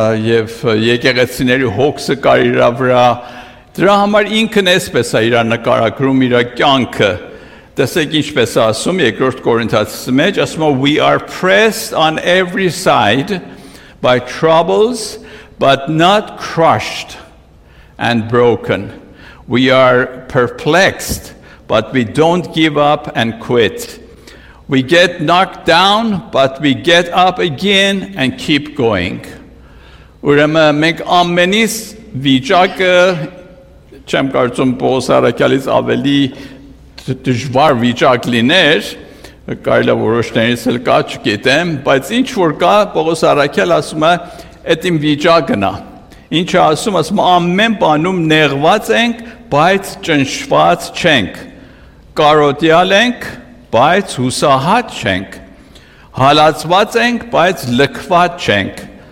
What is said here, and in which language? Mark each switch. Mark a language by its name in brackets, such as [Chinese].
[Armenian] և եկեղեցիների հոգսը կար իր վրա, դրա համար ինքն էսպես է իր նկարագրում իր կյանքը։ Տեսեք ինչպես ասում 2 Կորինթացի մեջ, ասում է, [English] «We are pressed on every side by troubles, but not crushed and broken. We are perplexed, but we don't give up and quit. We get knocked down, but we get up again and keep going.» [Armenian] Ուրեմն մենք ամենիս վիճակը, չեմ կարծում Պողոս Առաքյալից ավելի դժվար վիճակ լիներ, կարելի է որոշներից էլ կա, չգիտեմ, բայց ինչ որ կա, Պողոս Առաքյալ ասում է, այդ իմ վիճակն է, ինչ ասում, ասում ամեն բանում նեղված ենք, բայց ճնշված չենք, կարոտյալ ենք, բայց հուսահատ չենք, հալածված ենք, բայց լքված չենք,